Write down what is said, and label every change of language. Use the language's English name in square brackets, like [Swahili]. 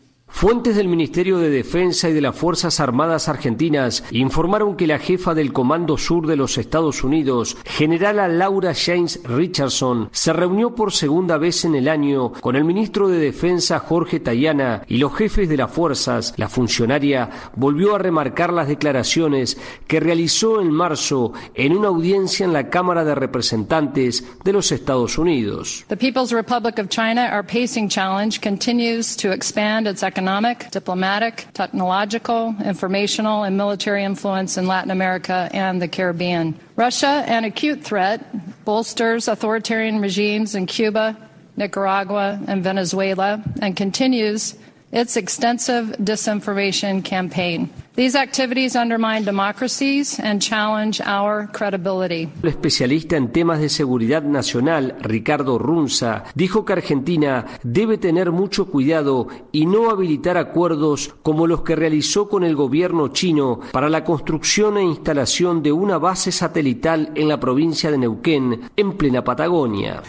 [Spanish] Fuentes del Ministerio de Defensa y de las Fuerzas Armadas Argentinas informaron que la jefa del Comando Sur de los Estados Unidos, generala Laura James Richardson, se reunió por segunda vez en el año con el ministro de Defensa Jorge Tayana y los jefes de las fuerzas. La funcionaria volvió a remarcar las declaraciones que realizó en marzo en una audiencia en la Cámara de Representantes de los Estados Unidos. [English] The People's Republic of China, our pacing challenge continues to expand its economic, diplomatic, technological, informational, and military influence in Latin America and the Caribbean. Russia, an acute threat, bolsters authoritarian regimes in Cuba, Nicaragua, and Venezuela, and continues its extensive disinformation campaign. These activities undermine democracies and challenge our credibility. [Spanish] El especialista en temas de seguridad nacional, Ricardo Runza, dijo que Argentina debe tener mucho cuidado y no habilitar acuerdos como los que realizó con el gobierno chino para la construcción e instalación de una base satelital en la provincia de Neuquén, en plena Patagonia.